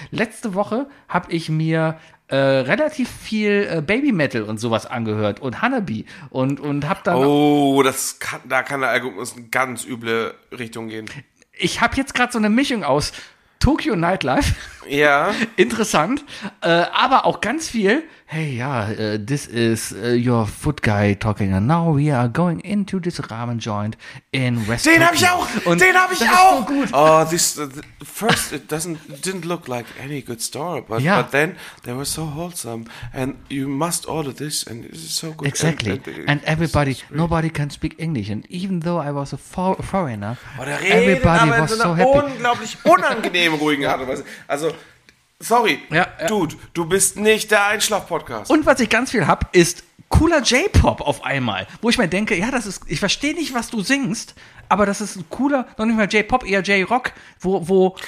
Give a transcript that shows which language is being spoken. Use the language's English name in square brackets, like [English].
[German] Letzte Woche habe ich mir relativ viel Baby Metal und sowas angehört und Hanabi und habe dann. Oh, da kann der Algorithmus in ganz üble Richtung gehen. Ich habe jetzt gerade so eine Mischung aus Tokyo Nightlife. Ja. Interessant. Aber auch ganz viel. [English] Hey, ja, this is your foot guy talking. And now we are going into this ramen joint in West. [German] Den habe ich auch! Und den habe ich das auch! Ist so gut. [English] Oh, first, it didn't look like any good store, but then they were so wholesome. And you must order this, and it is so good. Exactly. And everybody, so nobody can speak English. And even though I was a foreigner, everybody was so happy. [German] Aber in so einer unglaublich unangenehmen, ruhigen Art. Also, sorry, ja, Dude, du bist nicht der Einschlaf-Podcast. Und was ich ganz viel hab, ist cooler J-Pop auf einmal, wo ich mir denke, ja, das ist, ich verstehe nicht, was du singst, aber das ist ein cooler, noch nicht mal J-Pop, eher J-Rock, wo.